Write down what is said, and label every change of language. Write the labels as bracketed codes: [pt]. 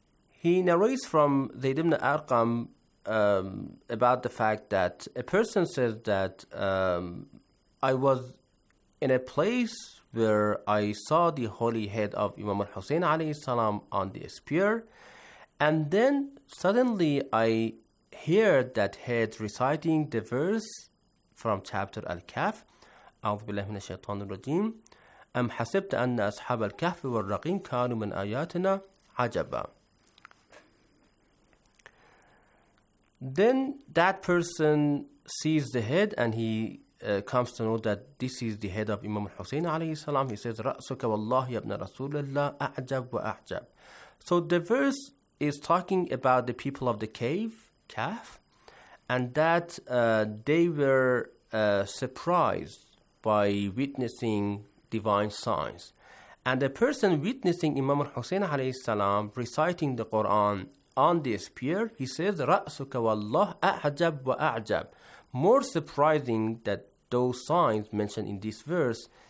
[en] he narrates from زيد بن أرقم about the fact that a person says that I was in a place where I saw the holy head of Imam al-Hussein alayhi salam on the spear, and then suddenly I heard that head reciting the verse from chapter Al-Kahf, [ar] أعوذ بالله من الشيطان الرجيم أم حسبت أن أصحاب الكهف والرقيم كانوا من آياتنا عجبا. [en] Then that person sees the head and he comes to know that this is the head of Imam al-Hussein alayhi salam. He says, [ar] رَأْسُكَ وَاللَّهِ يَبْنَ رَسُولَ اللَّهِ أَعْجَبْ وَأَعْجَبْ. [en] So the verse is talking about the people of the cave, Kahf, and that they were surprised by witnessing divine signs. And the person witnessing Imam al-Hussein alayhi salam reciting the Quran on the spear, he says, [ar] رَأْسُكَ وَاللَّهِ أَعْجَبْ وَأَعْجَبْ. [en] More surprising that those signs mentioned in this verse